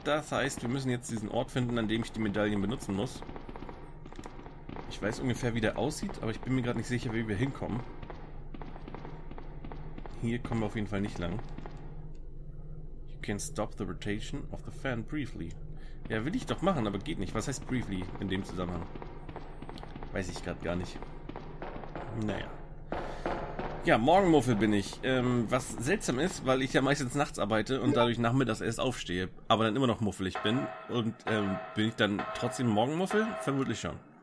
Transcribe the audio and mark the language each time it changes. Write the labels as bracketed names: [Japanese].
[German] Das heißt, wir müssen jetzt diesen Ort finden, an dem ich die Medaillen benutzen muss. Ich weiß ungefähr, wie der aussieht, aber ich bin mir gerade nicht sicher, wie wir hinkommen. Hier kommen wir auf jeden Fall nicht lang. [English] You can stop the rotation of the fan briefly. [German] Ja, will ich doch machen, aber geht nicht. Was heißt briefly in dem Zusammenhang? Weiß ich gerade gar nicht. Naja. Ja, Morgenmuffel bin ich. Was seltsam ist, weil ich ja meistens nachts arbeite und dadurch nachmittags erst aufstehe, aber dann immer noch muffelig bin. Und bin ich dann trotzdem Morgenmuffel? Vermutlich schon.